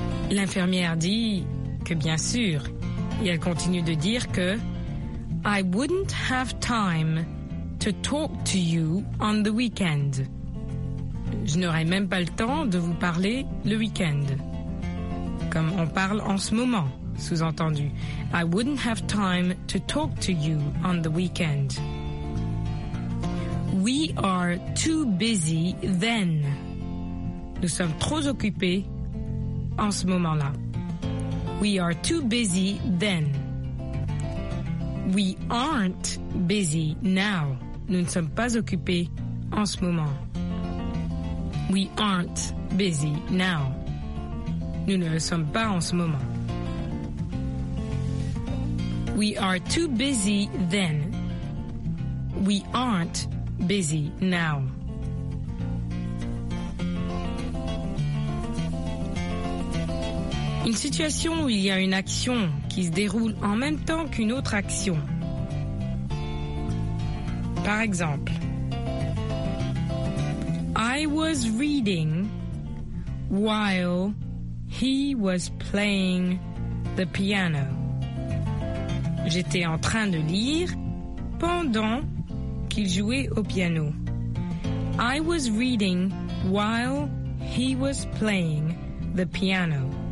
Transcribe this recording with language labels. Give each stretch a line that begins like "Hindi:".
French: L'infirmière dit que bien sûr, et elle continue de dire que
English: I wouldn't have time to talk to you on the weekend.
French: Je n'aurais même pas le temps de vous parler le week-end. Comme on parle en ce moment, sous-entendu.
English: I wouldn't have time to talk to you on the weekend. We are too busy then.
French: Nous sommes trop occupés en ce moment-là.
English: We are too busy then. We aren't busy now.
French: Nous ne sommes pas occupés en ce moment.
English: We aren't busy now.
French: Nous ne le sommes pas en ce moment.
English: We are too busy then. We aren't busy now.
French: Une situation où il y a une action qui se déroule en même temps qu'une autre action. Par exemple,
English: I was reading while he was playing the piano.
French: J'étais en train de lire pendant qu'il jouait au piano.
English: I was reading while he was playing the piano.